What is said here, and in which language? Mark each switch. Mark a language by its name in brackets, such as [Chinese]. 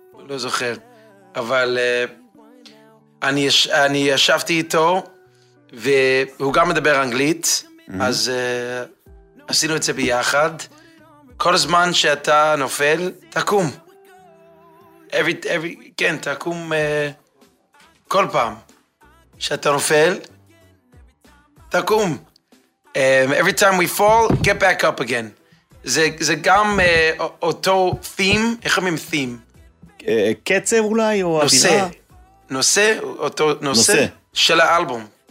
[Hebrew] לא זוכר, אבל אני ישבתי איתו, והוא גם מדבר אנגלית, אז עשינו את זה ביחד. כל הזמן שאתה נופל, תקום. כן, תקום כל פעם שאתה נופל, תקום. [English] Every time we fall, get back up again. [Hebrew] זה גם אותו theme, איך אומרים theme? קצב אולי, או נושא. נושא, אותו נושא של האלבום.